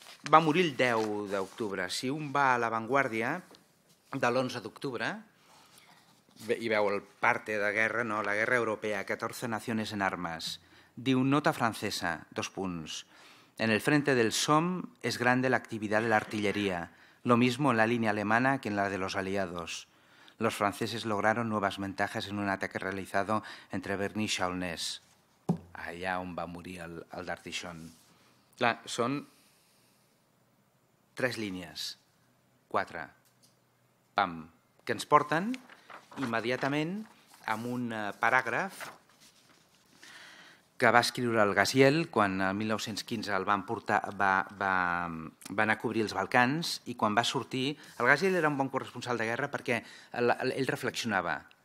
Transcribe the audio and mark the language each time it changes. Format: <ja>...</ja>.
<ca>Va morir el 10 d'octubre. Si un va a l'avantguàrdia de l'11 d'octubre, i veu el parte de guerra, no, la guerra europea,</ca> <es>14 naciones</es> <ca>en armes, diu nota francesa, 2 punts.</ca> <es>En el frente del Somme es grande la actividad de la artillería, lo mismo en la línea alemana que en la de los aliados. Los franceses lograron nuevas ventajas en un ataque realizado entre Verny y Chaulnes.</es> <ca>Allà on va morir el d'Ardixon. Clar, són 3 línies, 4, pam, que ens porten immediatament amb un paràgraf que va escriure el Gaziel quan el 1915 el van portar, va anar a cobrir els Balcans, i quan va sortir, el Gaziel era un bon corresponsal de guerra perquè ell reflexionava</ca>